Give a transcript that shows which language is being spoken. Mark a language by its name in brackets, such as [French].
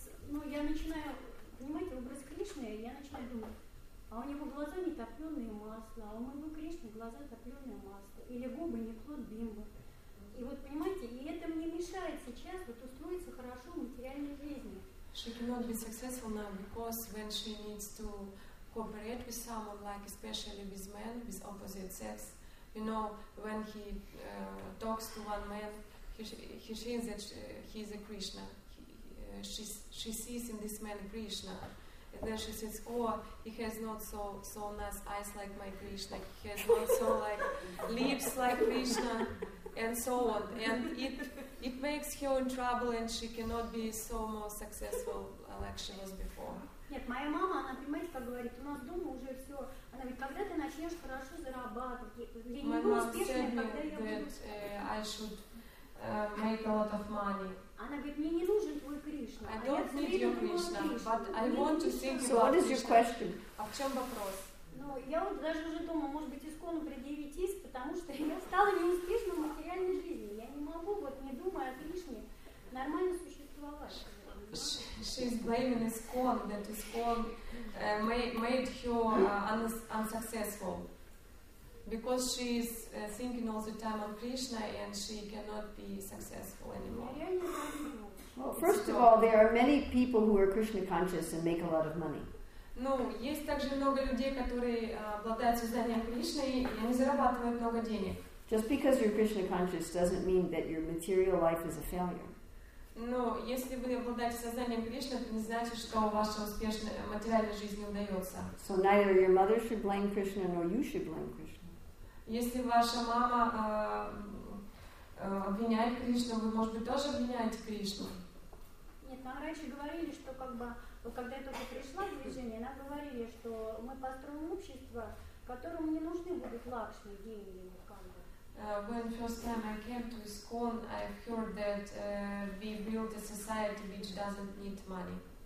[Russian] Ну, я начинаю, понимаете, образ Кришны, я начинаю думать, а у него глаза не топленое масло, а у моего Кришны глаза топленое масло, или губы не Клод Бимба. И вот понимаете, и это мне мешает сейчас вот устроиться хорошо в материальной жизни. [English] She cannot be successful now because when she needs to cooperate with someone, like especially with men, with opposite sex. You know, when he talks to one man, he sees that he's a Krishna. She sees in this man Krishna. And then she says, oh, he has not so nice eyes like my Krishna. He has not so like lips like Krishna, and so on. And it makes her in trouble, and she cannot be so more successful like she was before. [Russian] Нет, моя мама, она, понимаете, как говорит, у нас дома уже все. Она говорит, когда ты начнешь хорошо зарабатывать, я не буду успешной, когда я буду... [English] I should make a lot of money. [Russian] Она говорит, мне не нужен твой Кришна. [English] I don't need your Krishna, but I want to think about Krishna. So what is your question? [Russian] А в чем вопрос? Ну, я вот даже уже дома, может быть, искону предъявить иск, потому что я стала неуспешной в материальной жизни. Я не могу, вот не думая о Кришне, нормально существовать. [English] She's blaming ISKCON, that ISKCON made her unsuccessful. Because she is thinking all the time on Krishna and she cannot be successful anymore. Well, first of all, there are many people who are Krishna conscious and make a lot of money. [Russian] Ну, есть также много людей, которые обладают сознанием Кришны и они зарабатывают много денег. [English] Just because you're Krishna conscious doesn't mean that your material life is a failure. [Russian] Но если вы обладаете сознанием Кришны, это не значит, что ваша успешная материальная жизнь удается. [English] So neither your mother should blame Krishna, nor you should blame Krishna. [Russian] Если ваша мама обвиняет Кришну, вы, может быть, тоже обвиняете Кришну. Нет, нам раньше говорили, что как бы, вот когда я только пришла в движение, нам говорили, что мы построим общество, которому не нужны будут лакшми, деньги. [English] When first time I came to ISKCON, I heard that we built a society which doesn't need money.